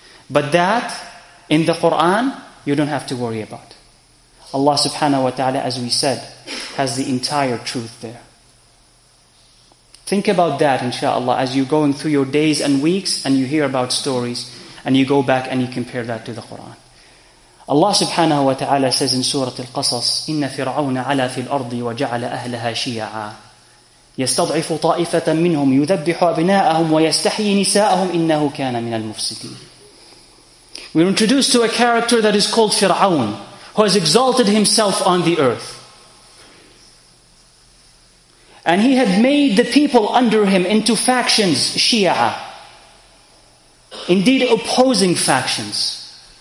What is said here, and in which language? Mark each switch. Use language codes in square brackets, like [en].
[en] But that, in the Quran, you don't have to worry about. Allah subhanahu wa ta'ala, as we said, has the entire truth there. Think about that, inshallah, as you're going through your days and weeks and you hear about stories and you go back and you compare that to the Quran. Allah subhanahu wa ta'ala says in Surah Al-Qasas, [ar] إِنَّ فِرْعَوْنَ عَلَى فِي الْأَرْضِ وَجَعَلَ أَهْلَهَا شِيَعًا يَسْتَضْعِفُ طَائِفَةً مِّنْهُمْ يُذَبِّحُ أَبْنَاءَهُمْ وَيَسْتَحْيِي نِسَاءَهُمْ إِنَّهُ كَانَ مِنَ الْمُفْسِدِينَ. [en] We're introduced to a character that is called Fir'aun, who has exalted himself on the earth. And he had made the people under him into factions, Shia, indeed opposing factions.